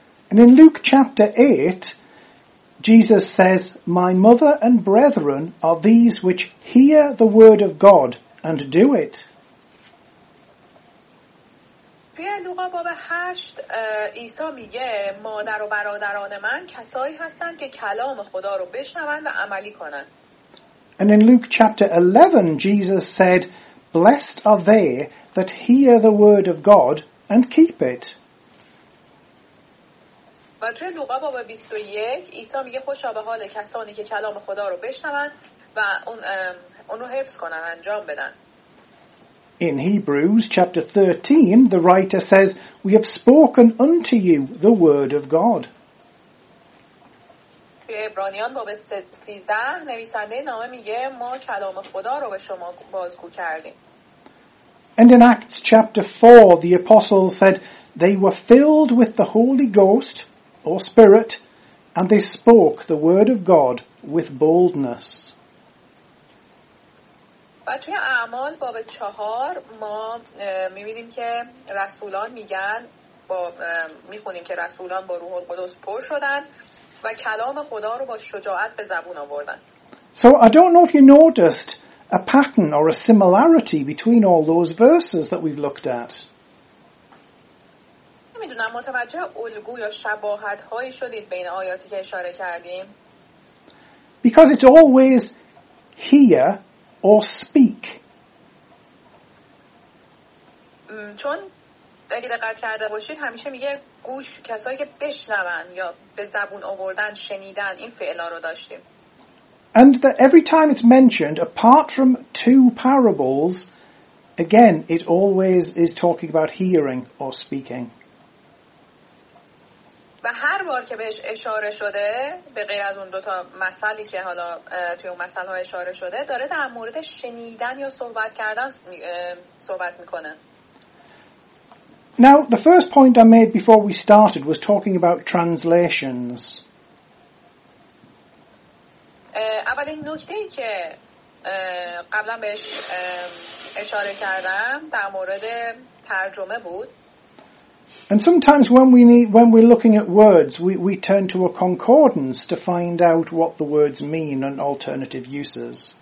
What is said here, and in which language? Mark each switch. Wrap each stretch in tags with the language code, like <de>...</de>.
<en>And in Luke chapter 8, Jesus says, "My mother and brethren are these which hear the word of God and do it."</en> <fa>در لوقا باب 8 عیسی میگه مادر و برادران من کسایی هستند که کلام خدا رو بشنوند و عملی کنند.</fa> <en>And in Luke chapter 11 Jesus said, "Blessed are they that hear the word of God and keep it."</en> <fa>و در لوقا باب 21 عیسی میگه خوشا به حال کسانی که کلام خدا رو بشنوند و اون رو حفظ کنند انجام بدن.</fa> <en>In Hebrews chapter 13, the writer says, "We have spoken unto you the word of God."</en> <fa>هبرانیان باب 13 نویسنده نامه میگه ما کلام خدا رو به شما بازگو کردیم.</fa> <en>And in Acts chapter 4, the apostles said they were filled with the Holy Ghost or Spirit, and they spoke the word of God with boldness.</en> <fa>و توی اعمال باب 4 ما می‌بینیم که رسولان میگن با می‌خونیم که رسولان با روح القدس پر شدن و کلام خدا رو با شجاعت به زبون آوردن.</fa> <en>So I don't know if you noticed a pattern or a similarity between all those verses that we've looked at.</en> <fa>نمی‌دونم متوجه الگو یا شباهت‌هایی شدید بین آیاتی که اشاره کردیم.</fa> <en>Because it's always here or speak.</en> <fa>چون اگه دقت کرده باشید همیشه میگه گوش کسایی که بشنون یا به زبون آوردن شنیدن این فعلا رو داشتیم.</fa> <en>And that every time it's mentioned apart from two parables again it always is talking about hearing or speaking.</en> <fa>و هر بار که بهش اشاره شده به غیر از اون دوتا مثالی که حالا توی اون مثال‌ها اشاره شده داره در مورد شنیدن یا صحبت کردن صحبت میکنه.</fa> <en>Now the first point I made before we started was talking about translations.</en> <fa>اولین نکته ای که قبلا بهش اشاره کردم در مورد ترجمه بود.</fa> <en>And sometimes when we're looking at words, we turn to a concordance to find out what the words mean and alternative uses.</en>